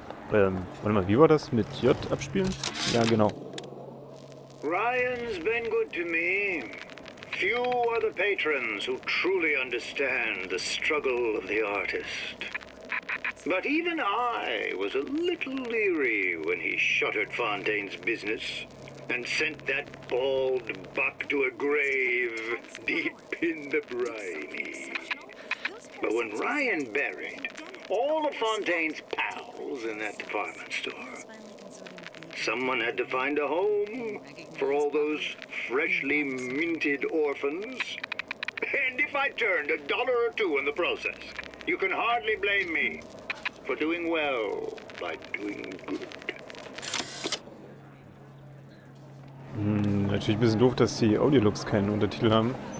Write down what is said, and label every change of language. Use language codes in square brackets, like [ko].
[de] Warte mal, wie war das mit J abspielen? Ja, genau. [en] Ryan's been good to me. Few are the patrons who truly understand the struggle of the artist. But even I was a little leery when he shuttered Fontaine's business and sent that bald buck to a grave deep in the briny. But when Ryan buried all of Fontaine's pals in that department store, someone had to find a home for all those freshly minted orphans. And if I turned a dollar or two in the process, you can hardly blame me for doing well by doing good. [de] Natürlich ein bisschen doof, dass die Audiolux keinen Untertitel haben.